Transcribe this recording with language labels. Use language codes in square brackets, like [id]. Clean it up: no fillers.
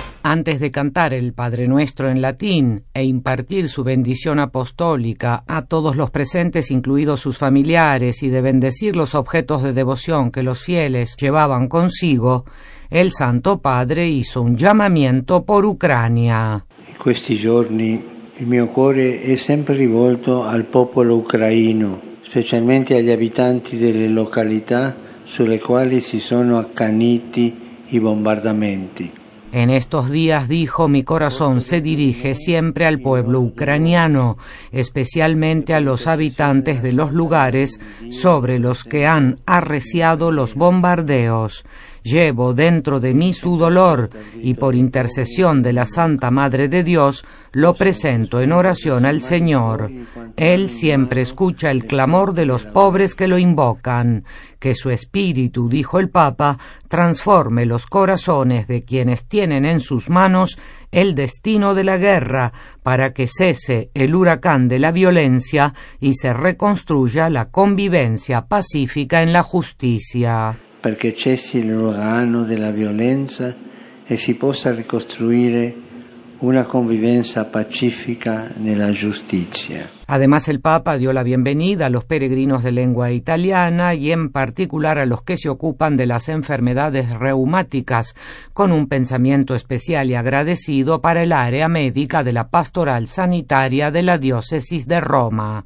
[es] Antes de cantar el Padre Nuestro en latín e impartir su bendición apostólica a todos los presentes, incluidos sus familiares, y de bendecir los objetos de devoción que los fieles llevaban consigo, el Santo Padre hizo un llamamiento por Ucrania. [it] In questi giorni il mio cuore è sempre rivolto al popolo ucraino, specialmente agli abitanti delle località sulle quali si sono accaniti i bombardamenti. [es] En estos días, dijo, mi corazón se dirige siempre al pueblo ucraniano, especialmente a los habitantes de los lugares sobre los que han arreciado los bombardeos. Llevo dentro de mí su dolor y por intercesión de la Santa Madre de Dios lo presento en oración al Señor. Él siempre escucha el clamor de los pobres que lo invocan. Que su espíritu, dijo el Papa, transforme los corazones de quienes tienen en sus manos el destino de la guerra para que cese el huracán de la violencia y se reconstruya la convivencia pacífica en la justicia. [it] Perché cessi l'uragano della violenza e si possa ricostruire una convivenza pacifica nella giustizia. [es] Además, el Papa dio la bienvenida a los peregrinos de lengua italiana y en particular a los que se ocupan de las enfermedades reumáticas, con un pensamiento especial y agradecido para el área médica de la pastoral sanitaria de la diócesis de Roma.